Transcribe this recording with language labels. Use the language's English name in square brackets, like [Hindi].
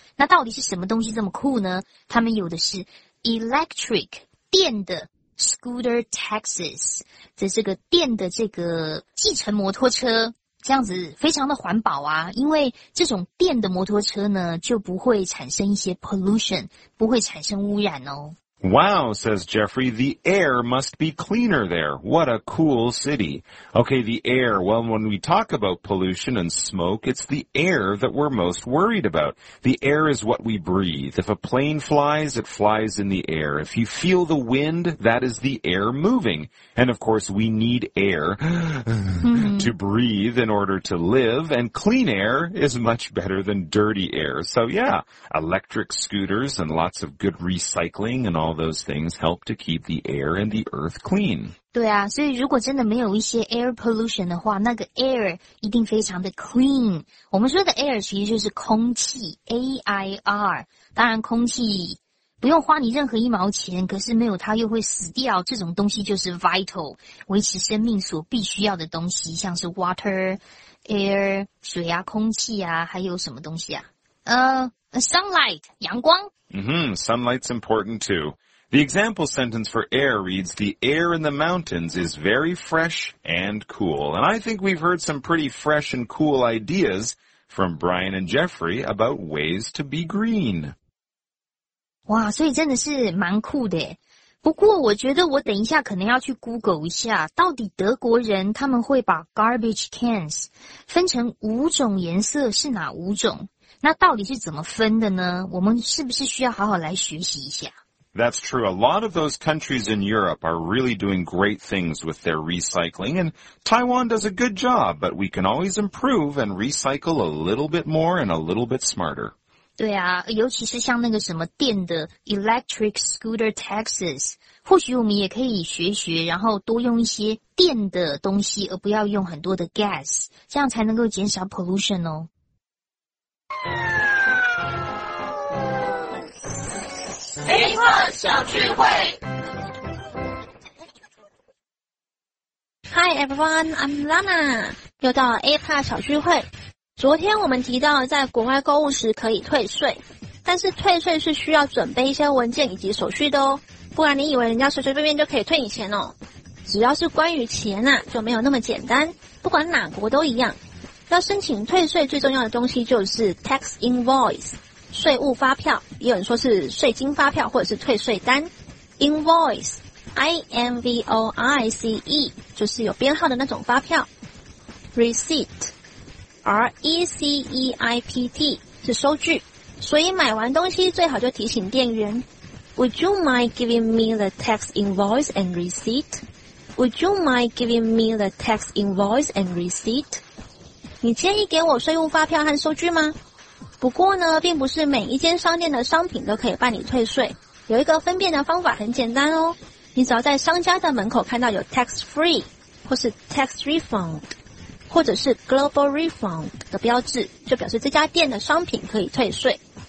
[Chinese] 那到底是什么东西这么酷呢？他们有的是 electric 电的 scooter taxis 的这个电的这个计程摩托车，这样子非常的环保啊，因为这种电的摩托车呢就不会产生一些 pollution， 不会产生污染哦。 [English] Wow, says Jeffrey, the air must be cleaner there. What a cool city. Okay, the air. Well, when we talk about pollution and smoke, it's the air that we're most worried about. The air is what we breathe. If a plane flies, it flies in the air. If you feel the wind, that is the air moving. And of course, we need air to breathe in order to live. And clean air is much better than dirty air. So yeah, electric scooters and lots of good recycling and all those things help to keep the air and the earth clean. [Chinese] 对啊，所以如果真的没有一些 air pollution 的话，那个 air 一定非常的 clean。我们说的 air 其实就是空气 ，air。当然，空气不用花你任何一毛钱，可是没有它又会死掉。这种东西就是 vital， 维持生命所必须要的东西，像是 water、air、水啊、空气啊，还有什么东西啊？ [English] Sunlight, [Chinese] 阳光。 [English] Sunlight's important too. The example sentence for air reads, The air in the mountains is very fresh and cool. And I think we've heard some pretty fresh and cool ideas from Brian and Jeffrey about ways to be green. [Chinese] 哇，所以真的是蛮酷的耶。不过我觉得我等一下可能要去 Google 一下，到底德国人他们会把 garbage cans 分成五种颜色是哪五种？那到底是怎么分的呢？我们是不是需要好好来学习一下？ [English] That's true. A lot of those countries in Europe are really doing great things with their recycling, and Taiwan does a good job, but we can always improve and recycle a little bit more and a little bit smarter. [Chinese] 对啊，尤其是像那个什么电的 electric scooter taxis， 或许我们也可以学学，然后多用一些电的东西，而不要用很多的 gas， 这样才能够减少 pollution 哦。 A-Pod 小聚会 [English] Hi everyone, I'm Lana [Chinese] 又到了 A-Pod 小聚会昨天我们提到在国外购物时可以退税但是退税是需要准备一些文件以及手续的哦不然你以为人家随随便便就可以退你钱哦只要是关于钱啊就没有那么简单不管哪国都一样要申请退税最重要的东西就是 Tax Invoice 税务发票，也有人说是税金发票或者是退税单。 Invoice, I-N-V-O-I-C-E, 就是有编号的那种发票。 Receipt, R-E-C-E-I-P-T, 是收据。所以买完东西最好就提醒店员。 [English] Would you mind giving me the tax invoice and receipt? Would you mind giving me the tax invoice and receipt? [Chinese] 你介意给我税务发票和收据吗？不过呢，并不是每一间商店的商品都可以办理退税。有一个分辨的方法很简单哦，你只要在商家的门口看到有 tax free 或是 tax refund 或者是 global refund 的标志，就表示这家店的商品可以退税。